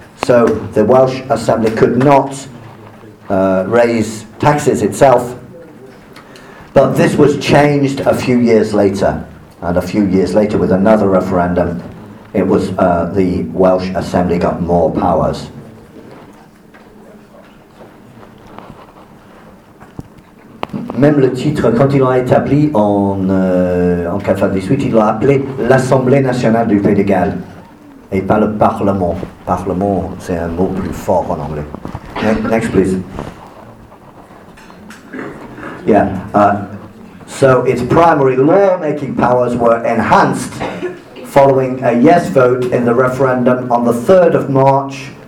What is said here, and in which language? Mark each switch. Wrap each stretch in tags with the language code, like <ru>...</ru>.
<en>So the Welsh Assembly could not raise taxes itself. But this was changed a few years later. And a few years later, with another referendum, it was the Welsh Assembly got more powers.</en> <fr>Même le titre, quand il l'a établi en 98, il l'a appelé l'Assemblée nationale du Pays de Galles et pas le Parlement. Parlement, c'est un mot plus fort en anglais.</fr> <en>Next, please. Yeah. So its primary law-making powers were enhanced following a yes vote in the referendum on the 3rd of March.</en>